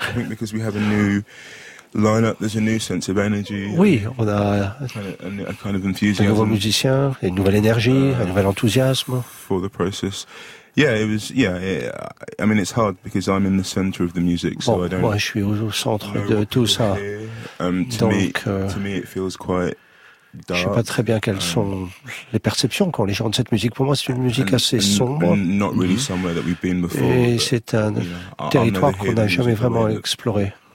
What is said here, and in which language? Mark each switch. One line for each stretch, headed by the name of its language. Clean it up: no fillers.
English: I think because we have a new lineup. There's a new sense of energy.
French: Oui, on a
English: kind of enthusiasm.
French: Un nouveau musicien, une nouvelle énergie, un nouvel enthousiasme.
English: For the process. Yeah, I mean, it's hard because I'm in the center of the music,
French: bon,
English: so I don't.
French: Moi, je suis au centre de tout ça.
English: To me, it feels quite.
French: Je ne sais pas très bien quelles sont les perceptions qu'ont les gens de cette musique. Pour moi, c'est une musique assez sombre.
English: Not really somewhere that we've been before,
French: et c'est un territoire qu'on n'a jamais vraiment exploré.